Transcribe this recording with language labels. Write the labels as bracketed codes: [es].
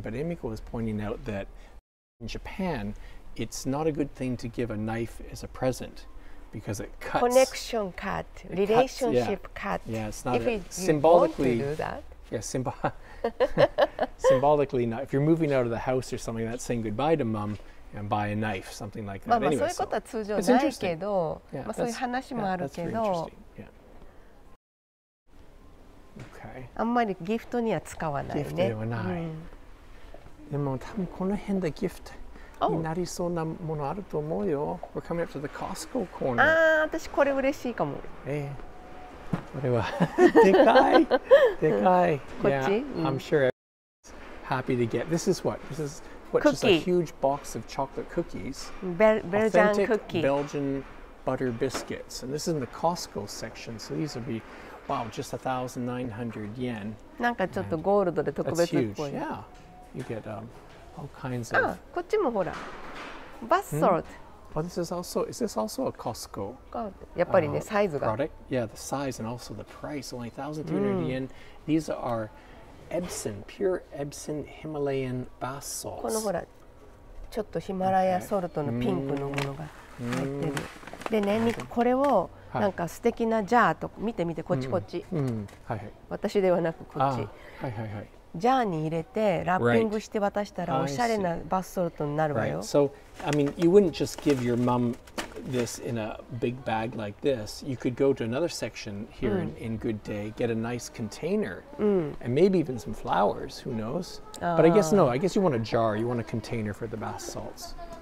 [en] But Emiko was pointing out that in Japan, it's not a good thing to give a knife as a present. Because it cuts. Connection cut. Relationship cut. Yeah, it's not if it, symbolically. You want to do that. Yeah, symbolically not. If you're moving out of the house or something, that's saying goodbye to mom and buy a knife, something like that. [ja] まあ、そういうことは通常ないけど、まあ、そういう話もあるけど。 [en] That's very interesting. Yeah. [ja] あんまりギフトには使わないね。ギフトではない。でも多分この辺でギフトになりそうなものあると思うよ。 [en] Oh. We're coming up to the Costco corner. [ja] ああ、私これ嬉しいかも。これはでかい。でかい。こっち [en] ？Yeah, I'm sure everyone's happy to get. This is what? This is what? Just a huge box of chocolate cookies. Belgian cookie. Authentic Belgian butter biscuits. And this is in the Costco section, so these would be, wow, just 1,900 yen. [ja] なんかちょっとゴールドで特別っぽい。 [en] That's huge, yeah. You get all kinds of... [ja] Ah, こっちもほら。Bath salt. [en] Hmm? Oh, this is also... Is this also a Costco? [ja] やっぱりね、サイズが。 [en] Product? Yeah, the size and also the price. Only 1,200 yen. These are Epsom, pure Epsom Himalayan bath salts. [ja] このほら、ちょっとヒマラヤソルトのピンクのものが入ってる。でね、これを、なんか素敵なジャーと見てみて、こっちこっち。私ではなく、こっち。はいはいはい。ジャーに入れてラッピングして渡したらおしゃれなバスソルトになるわよ。 [en] So, I mean, you wouldn't just give your mom this in a big bag like this. You could go to another section here in Good Day, get a nice container, and maybe even some flowers, who knows? But I guess no, I guess you want a jar, you want a container for the bath salts.